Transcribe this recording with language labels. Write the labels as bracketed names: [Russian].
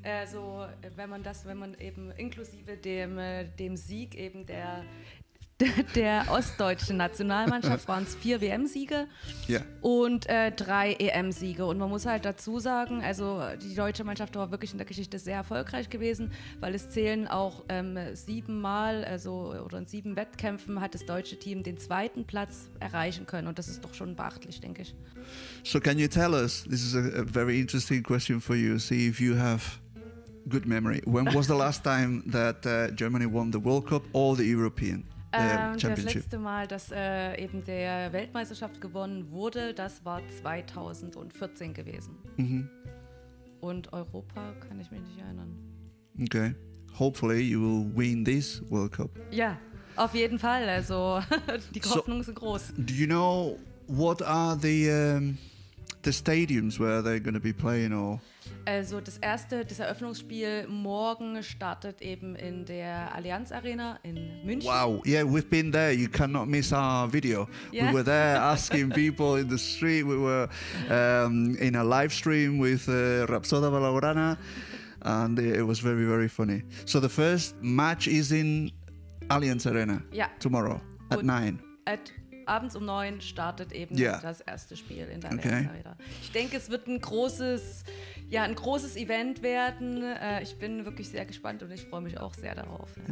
[German] So wenn man eben inklusive dem Sieg eben der ostdeutschen Nationalmannschaft waren es vier WM-Siege und drei EM-Siege. Und man muss halt dazu sagen, also die deutsche Mannschaft war wirklich in der Geschichte sehr erfolgreich gewesen, weil es zählen auch siebenmal, also oder in sieben Wettkämpfen hat das deutsche Team den zweiten Platz erreichen können. Und das ist doch schon beachtlich, denke ich. [English] So can you tell us, this is a very interesting question for you, see if you have good memory. When was the last time that Germany won the World Cup or the European? [German] Das letzte Mal, dass eben der Weltmeisterschaft gewonnen wurde, das war 2014 gewesen. Mm-hmm. Und Europa kann ich mich nicht erinnern. [English] Okay. Hopefully you will win this World Cup. [German] Ja, auf jeden Fall. Also die Hoffnung ist groß. [English] Do you know what are the stadiums where they're going to be playing or? [German] Also das erste, das Eröffnungsspiel morgen startet eben in der Allianz Arena in München. [English] Wow, yeah, we've been there. You cannot miss our video. Yeah. We were there asking people in the street. We were in a live stream with Rapsoda Valorana and it was very, very funny. So the first match is in Allianz Arena tomorrow at 9. [German] Abends um 9 startet eben das erste Spiel in der Allianz Arena. Ich denke, es wird ein großes Event werden. Ich bin wirklich sehr gespannt und ich freue mich auch sehr darauf.